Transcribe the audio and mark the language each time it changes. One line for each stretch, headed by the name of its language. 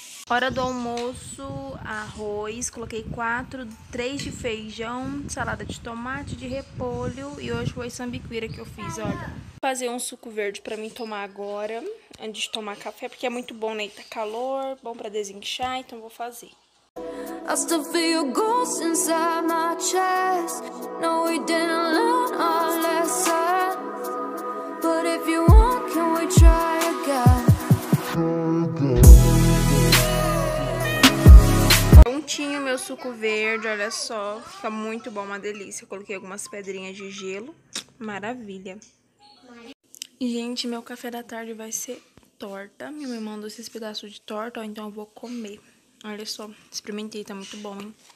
Portuguese: Hora do almoço, arroz, coloquei 3 de feijão, salada de tomate, de repolho e hoje foi sambiquira que eu fiz, olha. Vou fazer um suco verde pra mim tomar agora, antes de tomar café, porque é muito bom, né? Tá calor, bom pra desinchar, então vou fazer.
English: I still feel ghosts inside my chest. No, we didn't learn our lesson. But if you want, can we try again?
Portuguese: Prontinho meu suco verde, olha só. Fica muito bom, uma delícia. Eu coloquei algumas pedrinhas de gelo. Maravilha. Gente, meu café da tarde vai ser torta. Minha mãe mandou esses pedaços de torta, então eu vou comer. Olha só, experimentei, tá muito bom, hein?